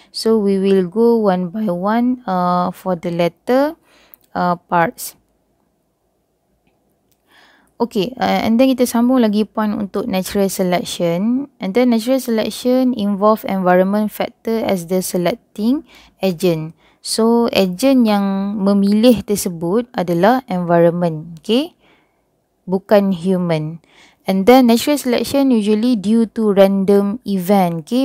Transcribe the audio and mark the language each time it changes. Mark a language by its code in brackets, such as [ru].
[en] So we will go one by one for the latter parts. Okay, and then [ms] kita sambung lagi point untuk natural selection. [en] And then natural selection involve environment factor as the selecting agent. [ms] So, agent yang memilih tersebut adalah environment, okay? Bukan human. [en] And then natural selection usually due to random event, okay?